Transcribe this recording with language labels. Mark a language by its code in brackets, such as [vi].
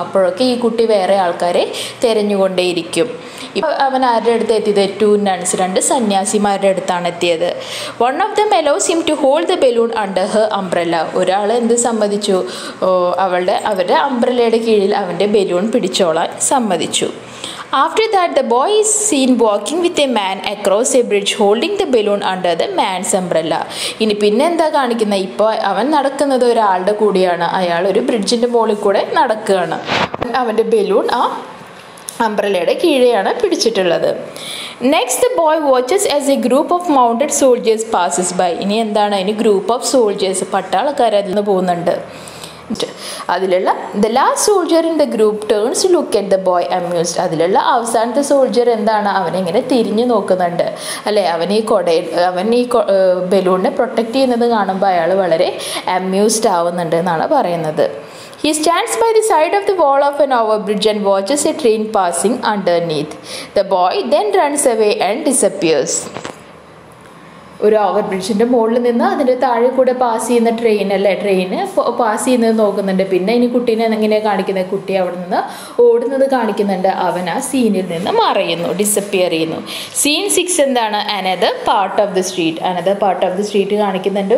[ml] അപ്പോഴൊക്കെ ഈ കുട്ടി വേറെ ആൾക്കാരെ തിരഞ്ഞുകൊണ്ടേയിരിക്കും. ഇപ്പോൾ അവൻ ആരുടെ അടുത്ത് എത്തിയത്? [en] two nuns, [ml] രണ്ട് സന്യാസിമാരുടെ അടുത്താണ് എത്തിയത്. [en] One of the allows him to hold the balloon under her umbrella. [ml] ഒരാൾ എന്ത് സമ്മതിച്ചു? അവരുടെ അംബ്രല്ലയുടെ കീഴിൽ അവൻ്റെ ബലൂൺ പിടിച്ചോളാൻ സമ്മതിച്ചു. [en] After that, the boy is seen walking with a man across a bridge holding the balloon under the man's umbrella. [ml] ഇനി പിന്നെ എന്താ കാണിക്കുന്നത്? ഇപ്പോൾ അവൻ നടക്കുന്നത് ഒരാളുടെ കൂടിയാണ്. അയാൾ ഒരു ബ്രിഡ്ജിൻ്റെ മുകളിൽ കൂടെ നടക്കുകയാണ്. അവൻ്റെ ബലൂൺ ആ അംബ്രല്ലയുടെ കീഴെയാണ് പിടിച്ചിട്ടുള്ളത്. [en] Next the boy watches as a group of mounted soldiers passes by. [ml] ഇനി എന്താണ്, ഇനി [en] group of soldiers, [ml] പട്ടാളക്കാർ അതിൽ നിന്ന് പോകുന്നുണ്ട്. അതിലുള്ള [en] The last soldier in the group turns to look at the boy amused. [ml] അതിലുള്ള അവസാനത്തെ സോൾജർ എന്താണ്, അവനിങ്ങനെ തിരിഞ്ഞു നോക്കുന്നുണ്ട് അല്ലേ. അവൻ ഈ ബലൂണിനെ പ്രൊട്ടക്റ്റ് ചെയ്യുന്നത് കാണുമ്പോൾ അയാൾ വളരെ അമ്യൂസ്ഡ് ആവുന്നുണ്ട് എന്നാണ് പറയുന്നത്. [en] He stands by the side of the wall of an overbridge and watches a train passing underneath. The boy then runs away and disappears. [ml] ഒരു ഓവർ ബ്രിഡ്ജിൻ്റെ മുകളിൽ നിന്ന് അതിൻ്റെ താഴെ കൂടെ പാസ് ചെയ്യുന്ന ട്രെയിൻ അല്ലേ, ട്രെയിന് പാസ് ചെയ്യുന്നത് നോക്കുന്നുണ്ട്. പിന്നെ ഇനി കുട്ടീനെ എങ്ങനെയാണ് കാണിക്കുന്നത്? കുട്ടി അവിടെ നിന്ന് ഓടുന്നത് കാണിക്കുന്നുണ്ട്. അവൻ ആ സീനിൽ നിന്ന് മറയുന്നു, ഡിസപ്പിയർ ചെയ്യുന്നു. സീൻ 6 എന്താണ്? [en] Another part of the street. Another part of the street [ml] കാണിക്കുന്നുണ്ട്.